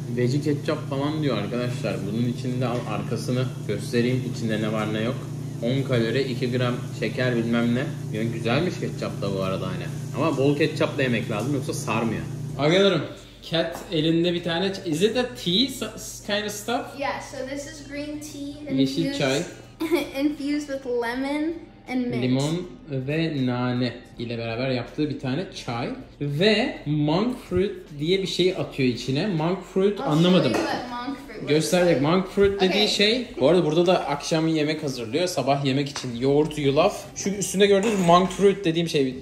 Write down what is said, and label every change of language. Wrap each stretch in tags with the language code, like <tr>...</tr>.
<tr>Veji ketçap falan diyor arkadaşlar. Bunun içinde al arkasını göstereyim, içinde ne var ne yok. 10 kalori, 2 gram şeker bilmem ne. Yani güzelmiş ketçap da bu arada hani. Ama bol ketçap da yemek lazım, yoksa sarmıyor. Agalarım, Cat elinde bir tane...</tr> <en>Is it a tea kind of stuff? Yeah, so this is green tea.</en> <tr>Yeşil çay.</tr> <en>Infused with lemon and mint.</en> <tr>Limon ve nane ile beraber yaptığı bir tane çay. Ve monk fruit diye bir şey atıyor içine. Monk fruit anlamadım. Gösterecek. Monk fruit dediği okay. Şey. Bu arada burada da akşam yemek hazırlıyor. Sabah yemek için yoğurt, yulaf. Şu üstünde gördüğünüz monk fruit dediğim şey.</tr>